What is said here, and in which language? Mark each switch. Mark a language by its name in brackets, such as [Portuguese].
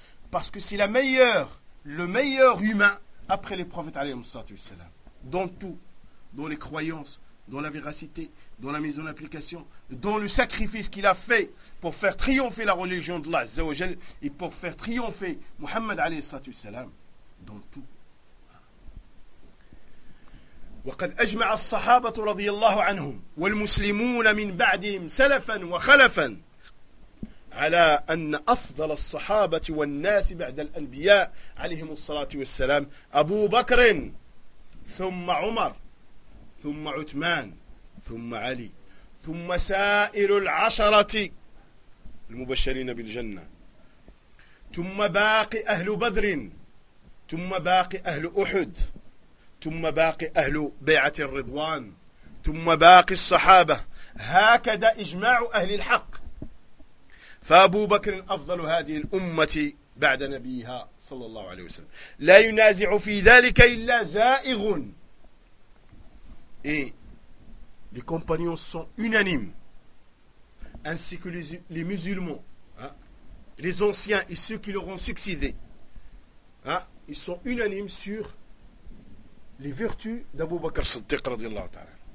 [French] Parce que c'est le meilleur humain après les prophètes alayhi salatu wassalam, dans tout, dans les croyances, dans la véracité, dans la mise en application, dans le sacrifice qu'il a fait pour faire triompher la religion d'Allah Azza wa Jal et pour faire triompher Muhammad alayhi salatu salam dans tout. [Arabic] وقد اجمع الصحابه رضي الله عنهم والمسلمون من بعدهم سلفا وخلفا على ان افضل الصحابه والناس بعد الانبياء عليهم الصلاه والسلام ابو بكر ثم عمر ثم عثمان ثم علي ثم سائر العشرة المبشرين بالجنة ثم باقي أهل بدر ثم باقي أهل أحد ثم باقي أهل بيعة الرضوان ثم باقي الصحابة هكذا إجماع أهل الحق. فأبو بكر أفضل هذه الأمة بعد نبيها صلى الله عليه وسلم، لا ينازع في ذلك إلا زائغ. [French] Les compagnons sont unanimes, ainsi que les musulmans, hein, les anciens et ceux qui leur ont succédé. Hein, ils sont unanimes sur les vertus d'Abu Bakr Siddiq radiallahu ta'ala.